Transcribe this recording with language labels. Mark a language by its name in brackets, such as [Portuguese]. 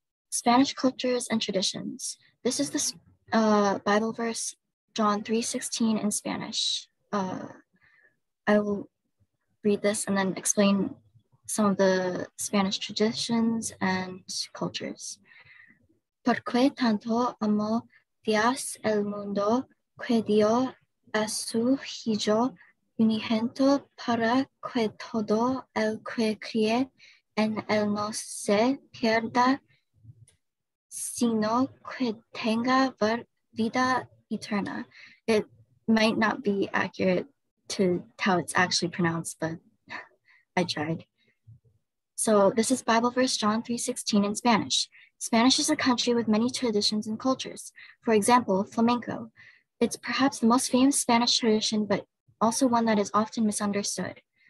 [English] Spanish cultures and traditions. This is the Bible verse, John 3:16 in Spanish. I will read this and then explain some of the Spanish traditions and cultures. [Spanish] ¿Por qué tanto amó Dios el mundo que dio a su hijo unigénito para que todo el que cree en él no se pierda, sino que tenga vida eterna? [English] It might not be accurate to how it's actually pronounced, but I tried. So this is Bible verse John 3:16 in Spanish. Spanish is a country with many traditions and cultures. For example, flamenco. It's perhaps the most famous Spanish tradition, but also one that is often misunderstood.